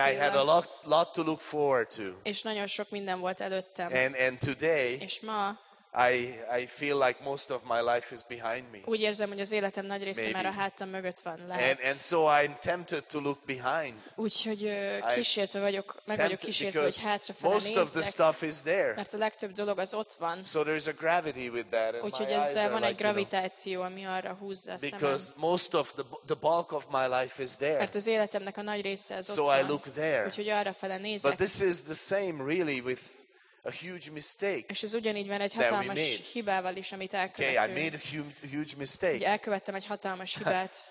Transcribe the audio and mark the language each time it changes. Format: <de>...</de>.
<en>And I had a lot to look forward to.</en> <hu>És nagyon sok minden volt előttem.</hu> <en>And today,</en> <hu>és ma,</hu> <en>I feel like most of my life is behind me.</en> <hu>Úgy érzem, hogy az életem nagy része már a hátam mögött van. Lehet.</hu> <en>And so I'm tempted to look behind.</en> <hu>Úgyhogy kísértve vagyok, meg vagyok kísértve, hogy hátra felé</hu> <en>most of the stuff is there.</en> <hu>Mert a legtöbb dolog az ott van.</hu> <en>So there's a gravity with that.</en> <hu>Úgyhogy ez van egy gravitáció, ami arra húzza a szemem.</hu> <en>Because most of the bulk of my life is there.</en> <hu>Mert az életemnek a nagy része az ott</hu> <en>so</en> <hu>van.</hu> <en>So I look there.</en> <hu>Úgyhogy arra felé nézek.</hu> <en>But this is the same really with a huge mistake.</en> <hu>És ez ugyanígy van egy hatalmas hibával is, amit elkövettünk.</hu> <en>Okay, I made a huge mistake.</en> <hu>Elkövettem egy hatalmas hibát.</hu>